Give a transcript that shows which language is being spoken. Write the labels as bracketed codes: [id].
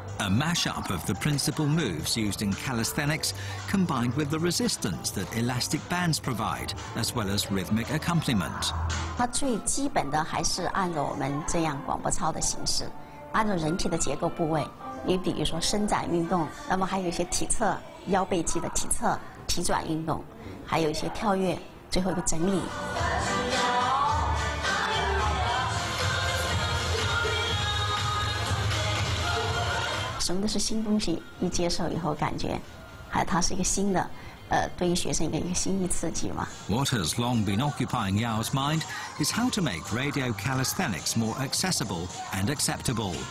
[en] a mashup of the principal moves used in calisthenics combined with the resistance that elastic bands provide, as well as rhythmic accompaniment. [zh] 它最基本的还是按照我们这样广播操的形式，按照人体的结构部位，你比如说伸展运动，那么还有一些体侧、腰背肌的体侧、体转运动，还有一些跳跃，最后一个整理。什么都是新东西，一接受以后感觉，它是一个新的，对于学生一个新的刺激嘛。 [en] What has long been occupying Yao's mind is how to make radio calisthenics more accessible and acceptable.